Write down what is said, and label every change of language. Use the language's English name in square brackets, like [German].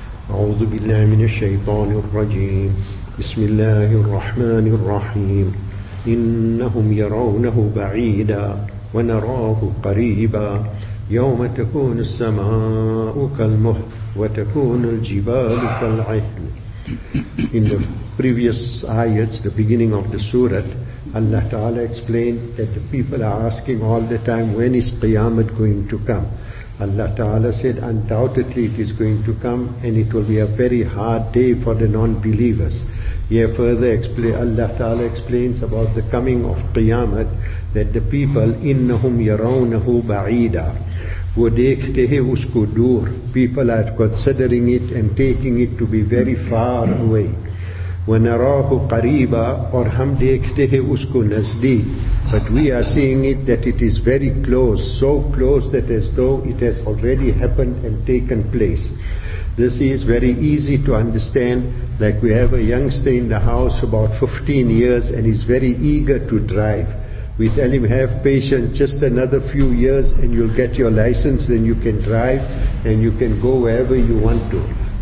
[Arabic] أعوذ بالله من الشيطان الرجيم. بسم الله الرحمن الرحيم. إنهم يرونه بعيدا ونراه قريبا. يوم تكون السماء كالمهل وتكون الجبال كالعهن. [English] In the previous ayats, the beginning of the surah, Allah Ta'ala explained that the people are asking all the time, when is Qiyamah going to come? Allah Ta'ala said, undoubtedly it is going to come, and it will be a very hard day for the non-believers. Here further Allah Ta'ala explains about the coming of Qiyamah, that the people, [Arabic] innahum yarawnahu ba'ida, [Urdu] wudekhtehe usko door, [English] people are considering it and taking it to be very far away. [Arabic] وَنَرَاهُ قَرِيبًا [Urdu] اور ہم دیکھتے ہیں اس کو نزدیک. [English] But we are seeing it that it is very close, so close that as though it has already happened and taken place. This is very easy to understand, like we have a youngster in the house about 15 years and he's very eager to drive. We tell him, have patience, just another few years and you'll get your license, then you can drive and you can go wherever you want to.